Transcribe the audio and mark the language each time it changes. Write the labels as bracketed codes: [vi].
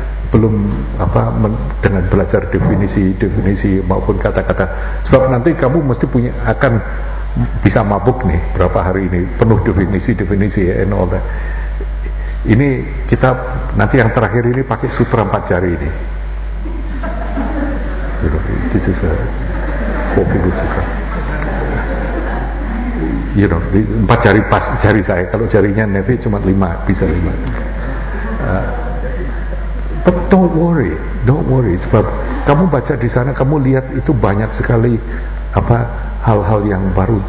[id] Belum apa dengan belajar definisi maupun kata-kata, sebab nanti kamu mesti akan bisa mabuk nih berapa hari ini, penuh definisi-definisi [en] and all that. [id] Ini kita nanti yang terakhir ini pakai sutra empat jari ini. [en] This is a four-finger sutra. You know, [id] di, empat jari pas jari saya. Kalau jarinya nevi cuma lima, bisa lima. [en] But don't worry, don't worry. [id] Sebab kamu baca di sana, kamu lihat itu banyak sekali apa hal-hal yang baru.